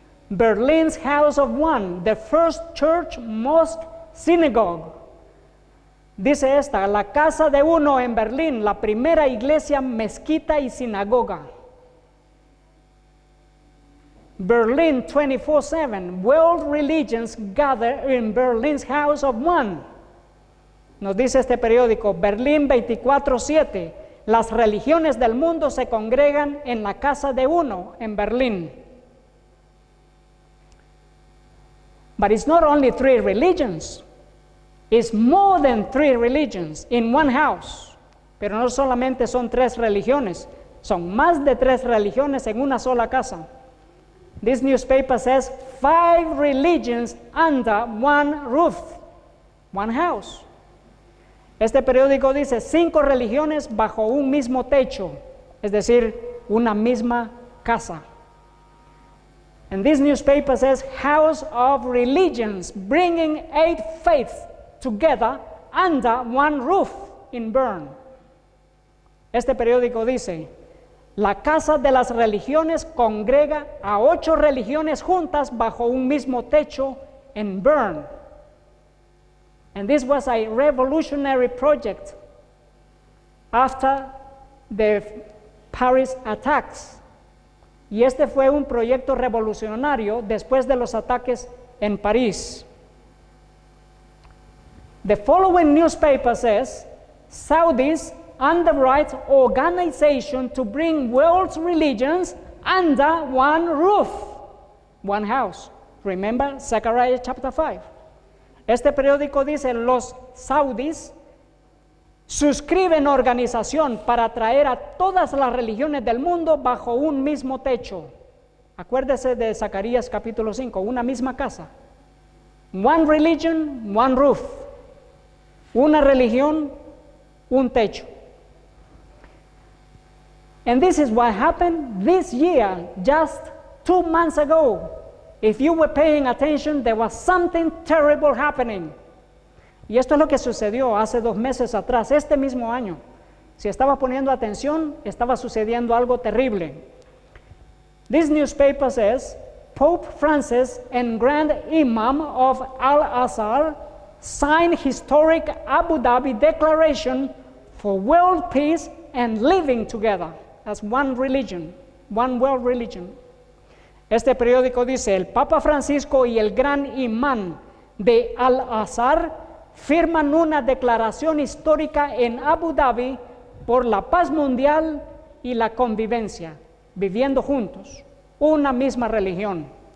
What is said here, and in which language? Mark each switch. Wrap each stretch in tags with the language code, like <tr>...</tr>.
<en>Berlin's House of One, the first church, mosque, synagogue.</en> <es>Dice esta, la casa de uno en Berlín, la primera iglesia, mezquita y sinagoga.</es> <en>Berlin 24/7, world religions gather in Berlin's House of One.</en> <es>Nos dice este periódico, Berlín 24/7, las religiones del mundo se congregan en la casa de uno en Berlín.</es> <en>But it's not only three religions. It's more than three religions in one house.</en> <es>Pero no solamente son tres religiones, son más de tres religiones en una sola casa.</es> <en>This newspaper says five religions under one roof, one house.</en> <es>Este periódico dice cinco religiones bajo un mismo techo, es decir, una misma casa.</es> <en>And this newspaper says House of Religions bringing eight faiths together under one roof in Bern.</en> <es>Este periódico dice, la casa de las religiones congrega a ocho religiones juntas bajo un mismo techo en Bern.</es> <en>And this was a revolutionary project after the Paris attacks.</en> <es>Y este fue un proyecto revolucionario después de los ataques en París.</es> <en>The following newspaper says, Saudis underwrite organization to bring world's religions under one roof, one house. Remember Zechariah chapter 5.</en> <es>Este periódico dice, los saudis suscriben organización para traer a todas las religiones del mundo bajo un mismo techo. Acuérdese de Zacarías capítulo 5, una misma casa.</es> <en>One religion, one roof.</en> <es>Una religión, un techo.</es> <en>And this is what happened this year, just 2 months ago, If you were paying attention, there was something terrible happening.</en> <es>Y esto es lo que sucedió hace dos meses atrás, este mismo año. Si estaba poniendo atención, estaba sucediendo algo terrible.</es> <en>This newspaper says, Pope Francis and Grand Imam of Al-Azhar signed historic Abu Dhabi declaration for world peace and living together as one religion, one world religion.</en> <es>Este periódico dice, el Papa Francisco y el Gran Imán de Al-Azhar firman una declaración histórica en Abu Dhabi por la paz mundial y la convivencia, viviendo juntos, una misma religión.</es>